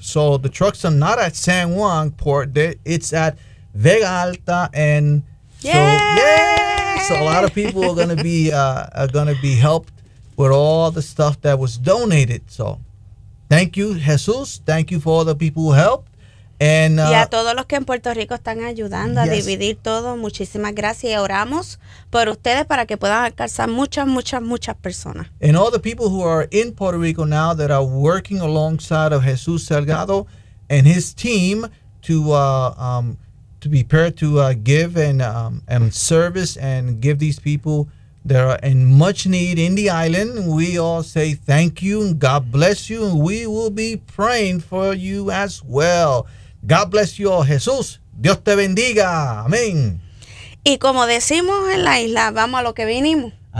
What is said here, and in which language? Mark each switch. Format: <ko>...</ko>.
<en>So the trucks are not at San Juan Port; it's at Vega Alta, and so a lot of people are gonna be helped with all the stuff that was donated. So thank you, Jesus. Thank you for all the people who helped.</en> <es>Y a todos los que en Puerto Rico están ayudando a dividir todo, muchísimas gracias. Y oramos por ustedes para que puedan alcanzar muchas, muchas, muchas personas.</es> <en>And all the people who are in Puerto Rico now that are working alongside of Jesús Salgado and his team to prepare to give and service and give these people that are in much need in the island. We all say thank you and God bless you, and we will be praying for you as well. God bless you all. Jesús,</en> <es>Dios te bendiga. Amén. Y como decimos en la isla, vamos a lo que vinimos.</es>